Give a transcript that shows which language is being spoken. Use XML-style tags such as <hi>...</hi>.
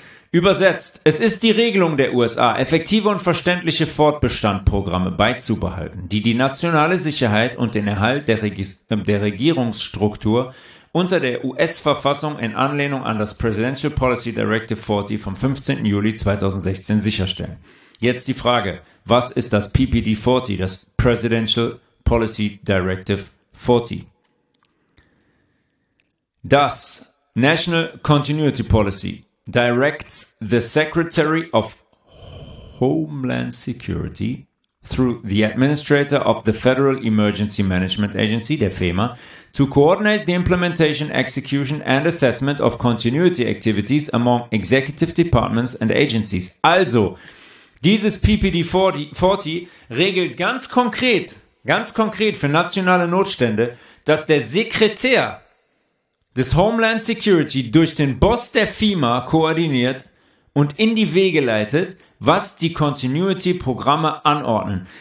<de>Übersetzt, es ist die Regelung der USA, effektive und verständliche Fortbestandprogramme beizubehalten, die die nationale Sicherheit und den Erhalt der Regierungsstruktur unter der US-Verfassung in Anlehnung an das Presidential Policy Directive 40 vom 15. Juli 2016 sicherstellen. Jetzt die Frage, was ist das PPD 40, das Presidential Policy Directive 40?</de> <en>Das National Continuity Policy directs the Secretary of Homeland Security through the Administrator of the Federal Emergency Management Agency,</en> <de>der FEMA,</de> <en>to coordinate the implementation, execution and assessment of continuity activities among executive departments and agencies.</en> <de>Also, dieses PPD 40 regelt ganz konkret für nationale Notstände, dass der Sekretär des Homeland Security durch den Boss der FEMA koordiniert und in die Wege leitet, was die Continuity-Programme anordnen.</de>